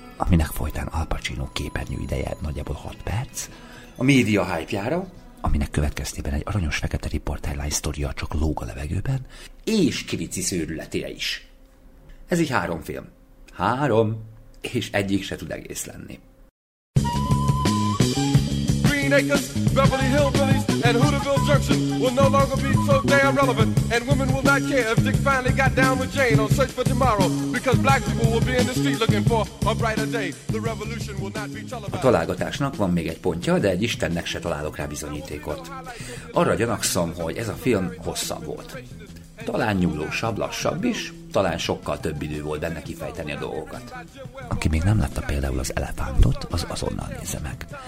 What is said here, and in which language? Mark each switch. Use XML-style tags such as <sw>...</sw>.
<hu>aminek folytán Al Pacino képernyő ideje nagyjából 6 perc, a média hype-jára, aminek következtében egy aranyos fekete riporterlány sztoria csak lóg a levegőben, és Kilicis őrületére is. Ez így 3 film. 3, és egyik se tud egész lenni.</hu> <en>Acres, Beverly Hillbillies, and Hooterville Junction will no longer be so damn relevant, and women will not care if Dick finally got down with Jane on Search for Tomorrow, because black people will be in the street looking for a brighter day. The revolution will not be televised.</en> <hu>A találgatásnak van még egy pontja, de egy Istennek se találok rá bizonyítékot. Arra gyanakszom, hogy ez a film hosszabb volt. Talán nyúlósabb, lassabb is, talán sokkal több idő volt benne kifejteni a dolgokat. Aki még nem látta például az elefántot, az azonnal nézze meg.</hu>